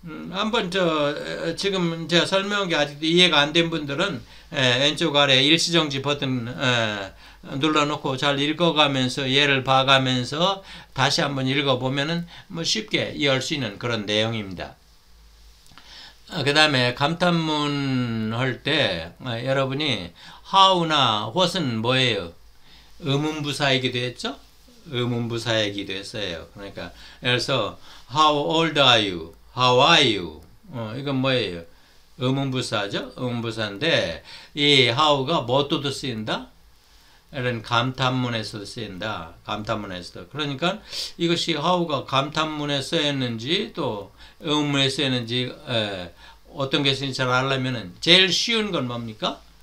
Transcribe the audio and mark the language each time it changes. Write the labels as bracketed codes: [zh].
[ko] 한번 저 지금 제가 설명한 게 아직도 이해가 안 된 분들은 왼쪽 아래 일시정지 버튼 눌러놓고 잘 읽어가면서 예를 봐가면서 다시 한번 읽어보면은 뭐 쉽게 이해할 수 있는 그런 내용입니다. 그 다음에 감탄문 할 때 여러분이 how나 what은 뭐예요? 의문부사이기도 했죠? 의문부사이기도 했어요. 그러니까 그래서 [en] how old are you? How are you? [ko] 이건 뭐예요? 의문부사죠? 의문부사인데 이 how가 뭐또도 쓰인다? 이런 감탄문에서도 쓰인다. 감탄문에서도. 그러니까 이것이 how가 감탄문에 쓰였는지 또 의문에 쓰였는지 어떤 게 쓰인지 잘 알려면 제일 쉬운 건 뭡니까?